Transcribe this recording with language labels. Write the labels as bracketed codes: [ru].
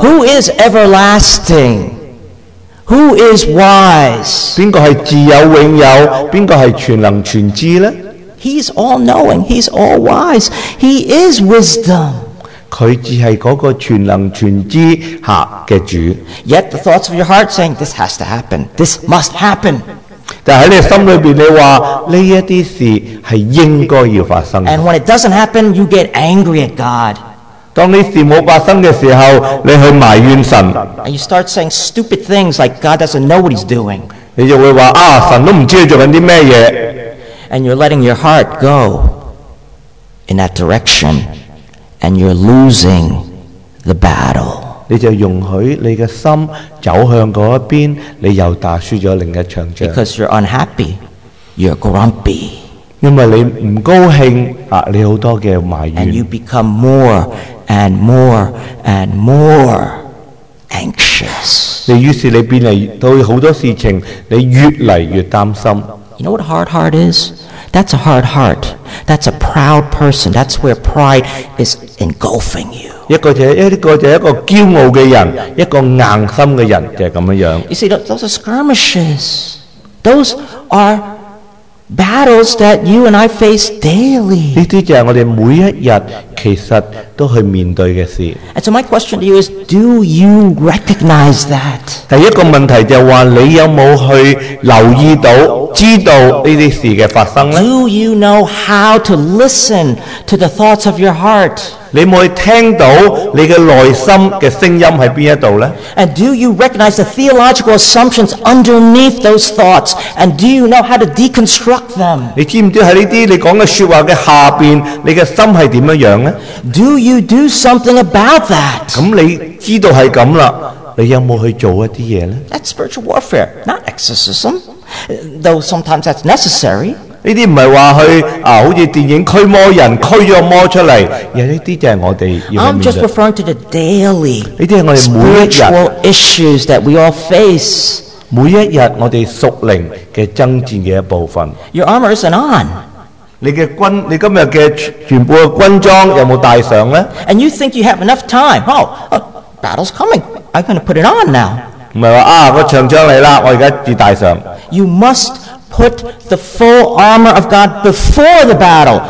[en] Who is everlasting? Who is wise? [zh] 谁是自有永有谁是全能全知呢 [en] He is all knowing, he is all wise, he is wisdom. [zh] 他只是那个全能全知下的主 [en] Yet the thoughts of your heart saying, this has to happen, this must happen. [zh] 但在你心里面你说这些事是应该要发生的。 [en] And when it doesn't happen, you get angry at God. [zh] 当这些事没发生的时候你去埋怨神。 [en] And you start saying stupid things like God doesn't know what he's doing. [zh] 你就会说啊神都不知道在做什么。 [en] And you're letting your heart go in that direction. And you're losing the battle. [zh] 你就容许你的心走向那一边，你又打输了另一场仗。 [en] Because you're unhappy, you're grumpy. [zh] 因为你不高兴，你很多的埋怨。 [en] And you become more and more and more anxious. [zh] 你于是你变嚟对很多事情，你越来越担心。 [en] You know what a hard heart is? That's a hard heart. That's a proud person. That's where pride is engulfing you. [zh] 一个骄傲的人，一个硬心的人，就是这样样。 [en] You see, those are skirmishes. Those are battles that you and I face daily. [zh] 这些就是我们每一日其实都去面对的事。 [en] And so my question to you is, do you recognize that? [zh] 第一个问题就是说，你有没有去留意到知道这些事的发生呢？ [en] Do you know how to listen to the thoughts of your heart? [zh] 你有没有听到你的内心的声音在哪里呢？ [en] And do you recognize the theological assumptions underneath those thoughts? And do you know how to deconstruct them? [zh] 你知不知道在这些你说的说话的下面，你的心是怎样呢？ [en] Do you do something about that? [zh] 那你知道是这样了，你有没有去做一些事呢？ [en] That's spiritual warfare, not exorcism. Though sometimes that's necessary. [zh] 这些不是说去好像电影驱魔人驱了魔出来，而这些就是我们要去面对。 [en] I'm just referring to the daily [zh] 这些是我们每一天 [en] spiritual issues that we all face. [zh] 每一天我们属灵的征战的一部分。 [en] Your armor isn't on. [zh] 你今天的全部的军装有没有带上呢？ [en] And you think you have enough time. Oh, battle's coming. I'm going to put it on now. You must put the full armor of God before the battle.